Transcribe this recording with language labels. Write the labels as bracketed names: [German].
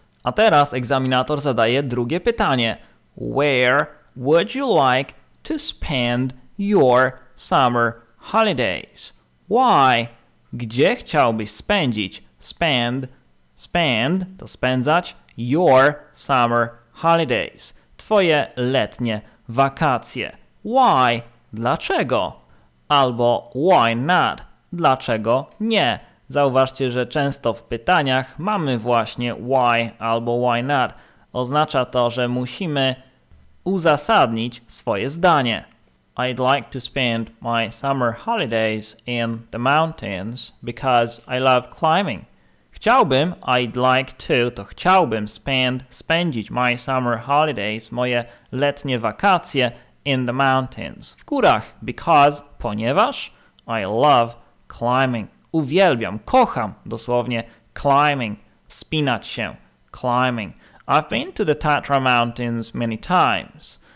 [Polish] A teraz egzaminator zadaje drugie pytanie. [English] Where would you like to spend your summer holidays? Why? [Polish] Gdzie chciałbyś spędzić? [English] Spend to [Polish] spędzać [English] your summer holidays. [Polish] Twoje letnie wakacje. [English] Why? [Polish] Dlaczego? Albo [English] why not? [Polish] Dlaczego nie? Zauważcie, że często w pytaniach mamy właśnie [English] why [Polish] albo [English] why not. [Polish] Oznacza to, że musimy uzasadnić swoje zdanie. [English] I'd like to spend my summer holidays in the mountains because I love climbing. [Polish] Chciałbym, [English] I'd like to [Polish] chciałbym spędzić [English] my summer holidays, [Polish] moje letnie wakacje, [English] in the mountains, [Polish] w górach, [English] because, [Polish] ponieważ, [English] I love climbing. [Polish] Uwielbiam, kocham, dosłownie, [English] climbing, [Polish] wspinać się, climbing. [English] I've been to the Tatra Mountains many times.